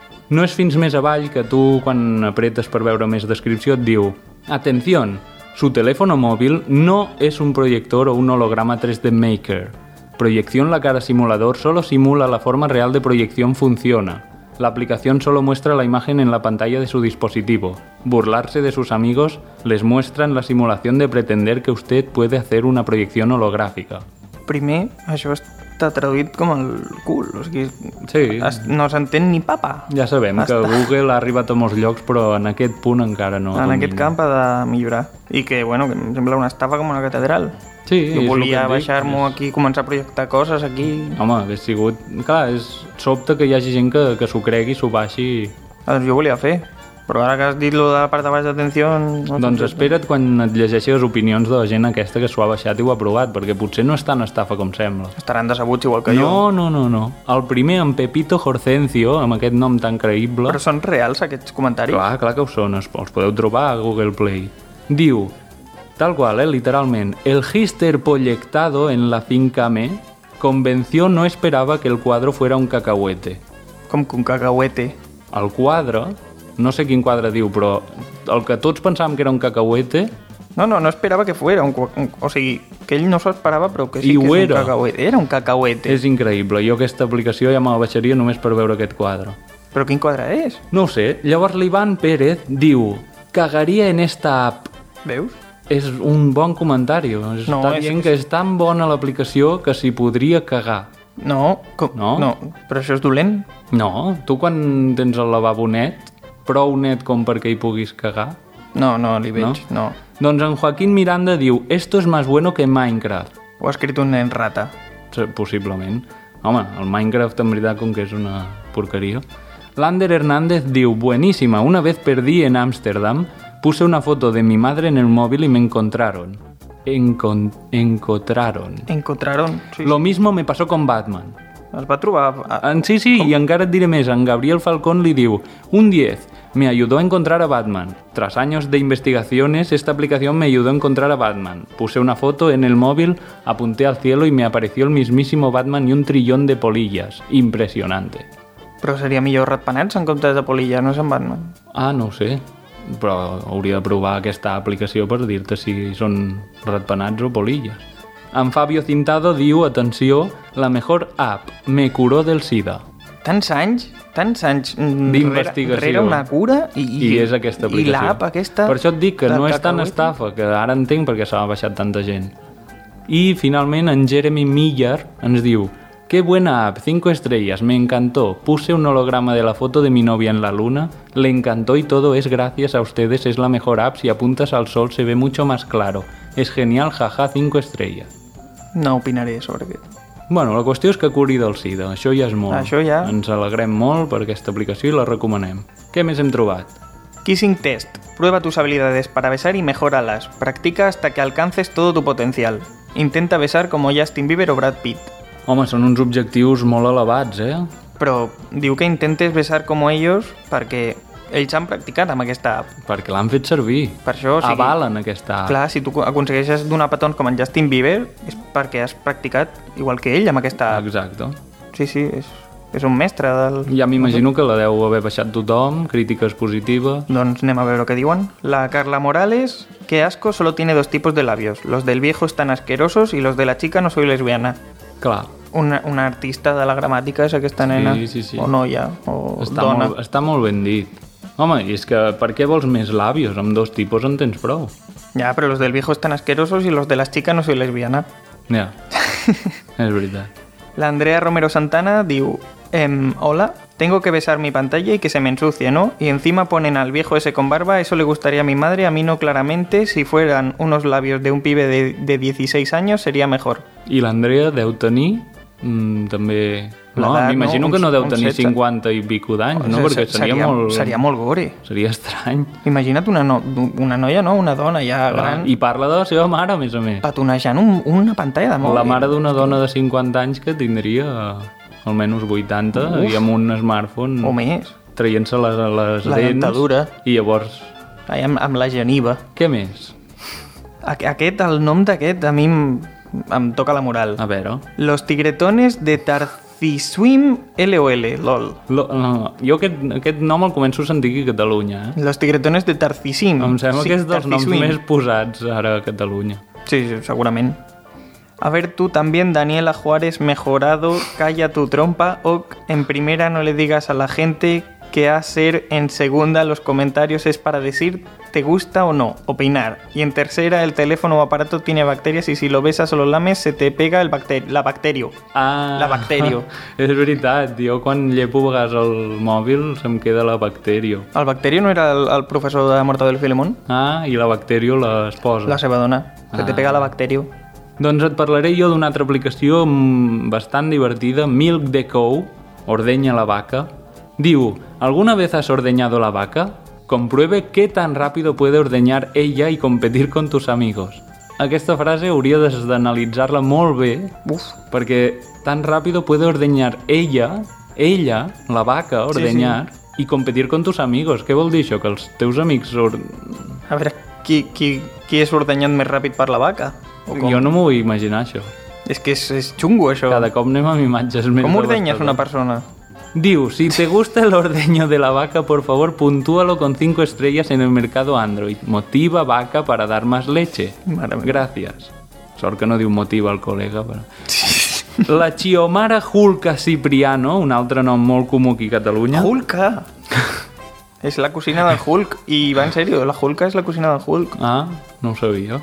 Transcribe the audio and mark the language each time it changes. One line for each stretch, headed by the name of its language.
Catalan: No es fins més avall que
Spanish: tú, cuando aprietas para ver más descripción, te digo: Atención, su teléfono móvil no es un proyector o un holograma 3D Maker. Proyección la cara simulador solo simula la forma real de proyección funciona. La aplicación solo muestra la imagen en la pantalla de su dispositivo. Burlarse de sus amigos les muestran la simulación de pretender que usted puede hacer una proyección holográfica.
Catalan: Primer, això està traduït com el cul, o sigui, sí. No s'entén ni papa. Ja sabem que Google ha arribat a molts llocs, però en aquest punt encara no. En aquest camp ha de millorar. I que, bueno, que em sembla una estafa com una catedral. Sí, jo volia baixar-m'ho aquí, començar a projectar coses aquí. Home, hauria sigut... Clar, és sobte que hi hagi gent que s'ho cregui, s'ho baixi. Doncs jo volia fer. Però ara que has dit lo de la part de baix d'atenció... No, doncs espera't quan et llegeixi les opinions de la gent aquesta que s'ho ha baixat i ho ha provat, perquè potser no és tan estafa com sembla. Estaran decebuts igual que jo. No. El primer, en Pepito Jorcencio, amb aquest nom tan creïble... Però són reals aquests comentaris? Clar que ho són. Els podeu trobar a Google Play. Diu... Tal cual, literalment.
Spanish: El gister proyectado en la finca me convenció no esperaba que el cuadro fuera un cacahuete.
Catalan: Com que un cacahuete? El quadre, no sé quin quadre diu, però el que tots pensàvem que era un cacahuete... No esperava
Spanish: que fuera un...
Catalan: O sigui, que ell no s'ho esperava, però que sí que és un cacahuete. Era un cacahuete. És increïble. Jo aquesta aplicació ja me la baixaria només per veure aquest quadre. Però quin quadre és? No ho sé. Llavors l'Ivan Pérez diu...
Spanish: Cagaria en esta app.
Catalan: Veus? És un bon comentari. Està dient que és tan bona l'aplicació que s'hi podria cagar. No, però això és dolent. No, tu quan tens el lavabo net, prou net com perquè hi puguis cagar... No, no li veig. Doncs en Joaquín Miranda diu:
Spanish: Esto es más bueno que Minecraft.
Catalan: Ho ha escrit un nen rata. Possiblement. Home, el Minecraft en veritat com que és una porqueria.
Spanish: Lander Hernández diu: Buenísima, una vez perdí en Ámsterdam... Puse una foto de mi madre en el móvil y me encontraron. Encontraron, sí. Lo mismo me pasó con Batman.
Catalan: Es va trobar... Sí, com? I encara et diré més.
Spanish: En Gabriel Falcón
Catalan: li diu...
Spanish: Un 10. Me ayudó a encontrar a Batman. Tras años de investigaciones, esta aplicación me ayudó a encontrar a Batman. Puse una foto en el móvil, apunté al cielo y me apareció el mismísimo Batman y un trillón de polillas. Impresionante.
Catalan: Però seria millor ratpenats en comptes de polillas, no és en Batman? Ah, no ho sé. Però hauria de provar aquesta aplicació per dir-te si són ratpenats o polilles.
Spanish: En Fabio Cintado
Catalan: diu, atenció,
Spanish: la mejor app, me curó del SIDA.
Catalan: Tants anys d'investigació. Rere una cura i és aquesta aplicació. I l'app aquesta... Per això et dic que no és tan estafa, que ara entenc perquè s'ha baixat tanta gent. I finalment en Jeremy Miller ens diu,
Spanish: qué buena app, 5 estrellas, me encantó. Puse un holograma de la foto de mi novia en la luna, le encantó y todo es gracias a ustedes, es la mejor app, si apuntas al sol se ve mucho más claro. Es genial, jaja, 5 estrellas.
Catalan: No opinaré sobre aquest. Bueno, la qüestió és que curi del SIDA, això ja és molt. Això ja. Ens alegrem molt per aquesta aplicació i la recomanem. Què més hem trobat?
Spanish: Kissing Test. Prueba tus habilidades para besar y mejóralas. Practica hasta que alcances todo tu potencial. Intenta besar como Justin Bieber o Brad Pitt.
Catalan: Home, són uns objectius molt elevats, eh? Però diu que intentes besar com ells perquè ells han practicat amb aquesta app. Perquè l'han fet servir. Per això, o sigui... Avalen aquesta app. Clar, si tu aconsegueixes donar petons com en Justin Bieber, és perquè has practicat igual que ell amb aquesta app. Exacte. Sí, és un mestre del... Ja m'imagino que la deu haver baixat tothom, crítiques positives... Doncs anem a veure què diuen. La Carla Morales...
Spanish: Que asco, solo tiene dos tipos de labios. Los del viejo están asquerosos y los de la chica no soy lesbiana.
Catalan: Clar. Una artista de la gramàtica és aquesta nena. Sí. O noia, o està dona. Està molt ben dit. Home, i és que per què vols més labios? Amb dos tipus en tens prou. Ja, però
Spanish: los del viejo están asquerosos y los de la chica no soy lesbiana.
Catalan: Ja, és veritat. L'Andrea Romero Santana diu...
Spanish: hola, tengo que besar mi pantalla y que se me ensucie, ¿no? Y encima ponen al viejo ese con barba, eso le gustaría a mi madre, a mí no claramente, si fueran unos labios de un pibe de 16 años sería mejor.
Catalan: I l'Andrea deu tenir... també... No, m'imagino que no deu tenir 50 i pico d'anys, no? Perquè seria molt... Seria molt gore. Seria estrany. Imagina't una noia, no? Una dona ja gran. I parla de la seva mare, a més a més. Petonejant una pantalla de mòbil. La mare d'una dona de 50 anys que tindria almenys 80 i amb un smartphone... O més. Traient-se les dents. La dentadura. I llavors... Amb la geniva. Què més? Aquest, el nom d'aquest, a mi... Em toca la moral. A veure.
Spanish: Los tigretones de Tarziswim LOL, LOL.
Catalan: Jo aquest nom el començo a sentir aquí a Catalunya.
Spanish: Los tigretones de Tarziswim.
Catalan: Em sembla que és dels noms més posats ara a Catalunya. Sí, segurament.
Spanish: A ver, tú también, Daniela Juárez, mejorado, calla tu trompa, o en primera no le digas a la gente qué hacer, en segunda los comentarios es para decir... te gusta o no, opinar. Y en tercera, el teléfono o aparato tiene bacterias y si lo besas o lo lames, se te pega el la bacterio. Ah, la bacterio.
Catalan: És veritat, jo quan llepo a vegades el mòbil se'm queda la bacterio. El bacterio no era el professor de Mortadelo Filemón? Ah, i la bacterio l'esposa. La seva dona.
Spanish: Se te pega la bacterio.
Catalan: Doncs et parlaré jo d'una altra aplicació bastant divertida, Milk the Cow, ordeña la vaca.
Spanish: Diu, ¿alguna vez has ordeñado la vaca? Compruebe qué tan rápido puede ordeñar ella y competir con tus amigos.
Catalan: Aquesta frase hauria d'analitzar-la molt bé. Uf. Perquè tan ràpid
Spanish: puede ordeñar ella,
Catalan: la vaca, ordeñar, sí, sí.
Spanish: Y competir con tus amigos.
Catalan: Què vol dir això? Que els teus amics... A veure, qui és ordeñant més ràpid per la vaca? O com? Jo no m'ho vull imaginar, això. És que és xungo, això. Cada cop anem amb imatges més... Com ordeñes una persona?
Spanish: Diu, si te gusta el ordeño de la vaca, por favor, puntúalo con 5 estrellas en el mercado Android. Motiva vaca para dar más leche. Maravilla. Gracias.
Catalan: Sort que no diu motiva al col·lega, però... Sí. La Chiomara Julka Cipriano, un altre nom molt comú aquí a Catalunya. Julka? És la cosina del Hulk. I va en sèrio, la Julka és la cosina del Hulk. Ah, no ho sabia.